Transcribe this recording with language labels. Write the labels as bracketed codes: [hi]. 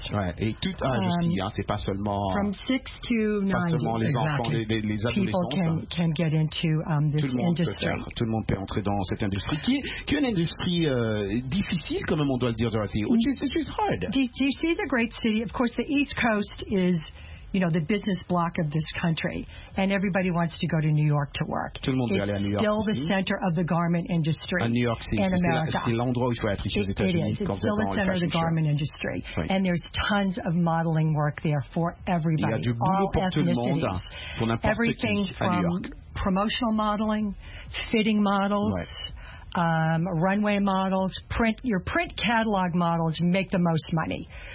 [fr] Ouais, et tout âge aussi, hein, c'est pas seulement... [en] From 6 to 90, [fr] pas seulement les enfants, les adolescents. [en] People can get into this industry. [fr] Tout le monde peut entrer dans cette industrie, qui est une industrie difficile, quand même, on doit le dire, Dorothy. [en] It's hard. Do you see the great city? Of course, the East Coast is... You know, the business block of this country. And everybody wants to go to New York to work. [fr] Tout le monde veut aller à New York. [en] It's still the center of the garment industry in America. [fr] New York City, c'est l'endroit où il faut être ici aux États-Unis. [en] It's still the center of the garment industry. And there's tons of modeling work there for everybody. [fr] Il y a du boulot pour tout le monde, pour n'importe qui. [en] Everything from promotional modeling, fitting models... runway models, print your print catalog models make the most money.